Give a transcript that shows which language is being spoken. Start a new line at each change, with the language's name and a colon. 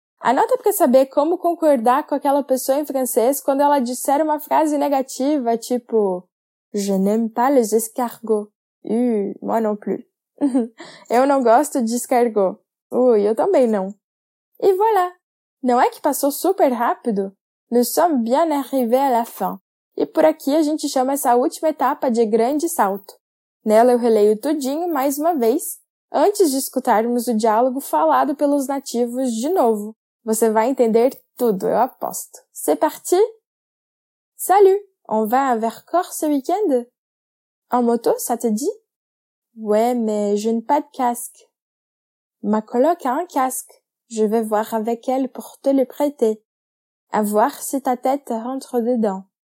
Portuguese: Anota para saber como concordar com aquela pessoa em francês quando ela disser uma frase negativa, tipo
French: Je n'aime pas les escargots. Moi non plus.
Portuguese: Eu não gosto de escargot. Eu também não. E voilà! Não é que passou super rápido?
French: Nous sommes bien arrivés à la fin.
Portuguese: E por aqui a gente chama essa última etapa de grande salto. Nela eu releio tudinho mais uma vez, antes de escutarmos o diálogo falado pelos nativos de novo. Você vai entender tudo, eu aposto.
French: C'est parti! Salut! On va à Vercors ce week-end? En moto, ça te dit? Ouais, mais je n'ai pas de casque. Ma coloc a un casque. Je vais voir avec elle pour te le prêter. À voir si ta tête rentre dedans.